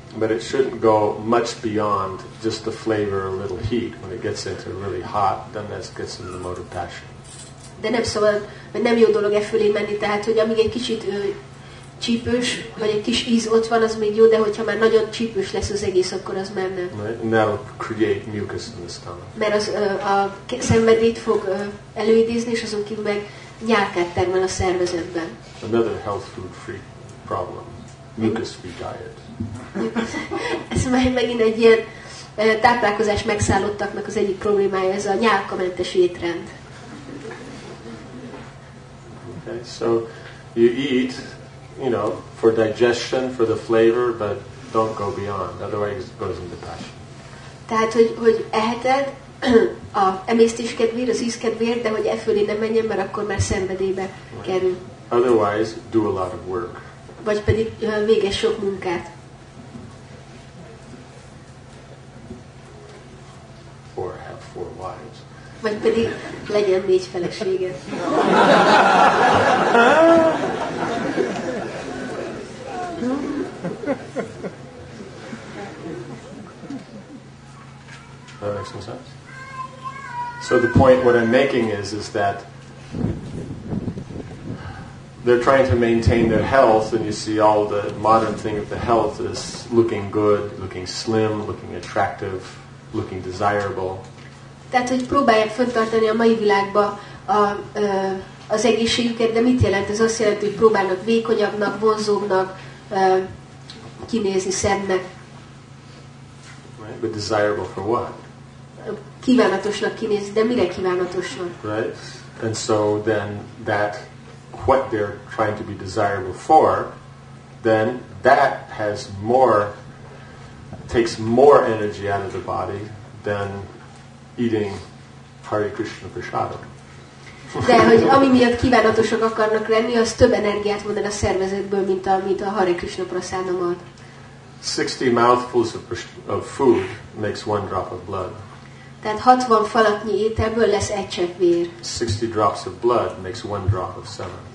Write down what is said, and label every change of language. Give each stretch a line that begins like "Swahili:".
English: But it shouldn't go much beyond just the flavor, a little heat. When it gets into really hot, then that gets into the mode of passion.
Hungarian: De nem szabad, mert nem jó dolog e fölé menni, tehát hogy amíg egy kicsit csípős, vagy egy kis íz ott van, az még jó, de hogyha már nagyon csípős lesz az egész, akkor az már nem.
English: Now create mucus in the stomach.
Hungarian: Mert az a szenvedélyt fog előidézni, és azon kívül meg nyálkát termel a szervezetben.
English: Another health food free problem. Mucus free diet.
Hungarian: Ez már megint egy ilyen táplálkozás megszállottaknak az egyik problémája, ez a nyálkamentes étrend.
English: Okay, so you eat, you know, for digestion, for the flavor, but don't go beyond. Otherwise it goes into passion.
Hungarian: Tehát, hogy eheted a emésztés kedvéért, az íz kedvéért, de hogy e fölé ne menjen, mert akkor már szenvedélybe kerül.
English: Otherwise, do a lot of work.
Hungarian: Vagy pedig végezz sok munkát.
English: Or have four wives.
Hungarian: Vagy pedig legyen négy felesége.
English: That makes some sense. So the point what I'm making is that they're trying to maintain their health, and you see all the modern thing of the health is looking good, looking slim, looking attractive, looking desirable.
Hungarian: Tehát, hogy próbálják fenntartani a mai világba az egészségüket, de mit jelent? Ez azt jelenti, hogy próbálnak vékonyabbnak, vonzóbbnak kinézni, szebbnek.
English: Right, but desirable for what?
Hungarian: Kívánatosnak kinézni, de mire kívánatosnak?
English: Right, and so then that what they're trying to be desirable for, then that has more, takes more energy out of the body than eating Hare Krishna prasadam.
Hungarian: De hogy ami miatt kívánatosak akarnak lenni, az több energiát mondan a szervezetből, mint a Hare Krishna prasadam ad.
English: 60 mouthfuls of food makes one drop of blood.
Hungarian: Tehát 60 falatnyi ételből lesz egy csepp vér.
English: 60 drops of blood makes one drop of semen.